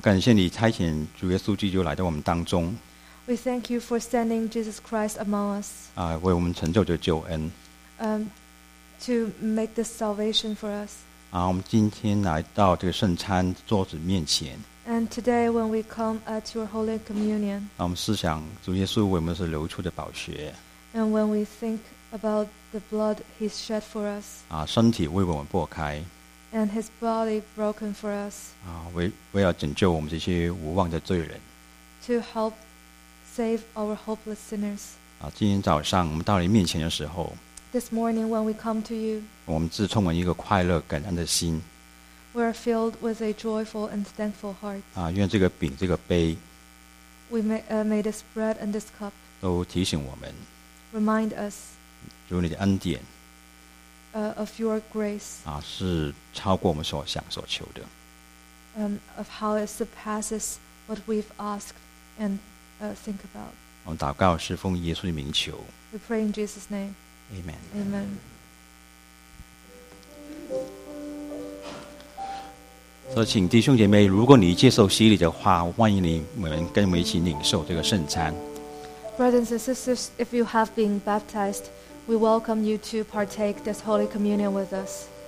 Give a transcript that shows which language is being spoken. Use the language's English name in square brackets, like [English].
[Chinese] 感谢你差遣主耶稣基督来到我们当中。 [English] We thank you for sending Jesus Christ among us. [Chinese] 为我们成就的救恩。 [English] to make this salvation for us. [Chinese] 啊，我们今天来到这个圣餐桌子面前。 [English] And today, when we come at your holy communion, [Chinese] 啊，我们思想主耶稣为我们是流出的宝血。 [English] And when we think about the blood he shed for us, [Chinese] 啊，身体为我们擘开。 [English] And his body broken for us, [Chinese] 啊，为要拯救我们这些无望的罪人。 [English] To help save our hopeless sinners. [Chinese] 啊，今天早上我们到你面前的时候。 [English] This morning, when we come to you, [Chinese] 我们自充满一个快乐感恩的心。 [English] We are filled with a joyful and thankful heart. [Chinese] 啊，愿这个饼，这个杯。 [English] We may this bread and this cup. [Chinese] 都提醒我们。 [English] Remind us. [Chinese] 主你的恩典。 [English] Of your grace. [Chinese] 啊，是超过我们所想所求的。 [English] Of how it surpasses what we've asked and think about. [Chinese] 我们祷告是奉耶稣的名求。 [English] We pray in Jesus' name. Amen. Amen. [Chinese] 所以请弟兄姐妹，如果你接受洗礼的话，欢迎你们跟我们一起领受这个圣餐。 [English] Brothers and sisters, if you have been baptized, we welcome you to partake this Holy Communion with us.